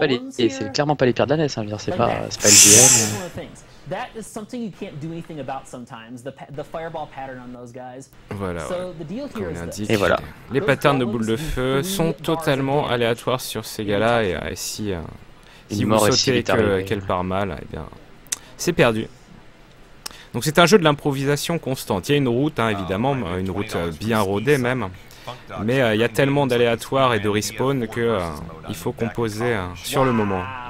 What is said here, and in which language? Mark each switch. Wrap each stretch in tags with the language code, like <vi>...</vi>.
<fr>C'est clairement pas les pires de la NES, hein, je veux dire, c'est pas le GM.</fr> <en>That is something you can't do anything about sometimes, the fireball pattern on those guys. Voilà. So the deal here is this.</en> <fr>Et voilà. Les patterns de boules de feu sont totalement aléatoires sur ces gars-là, et si vous sautez qu'elle part mal, eh bien, c'est perdu. Donc c'est un jeu de l'improvisation constante. Il y a une route, hein, évidemment, une route bien rodée même, mais il y a tellement d'aléatoires et de respawn que il faut composer sur le moment.</fr>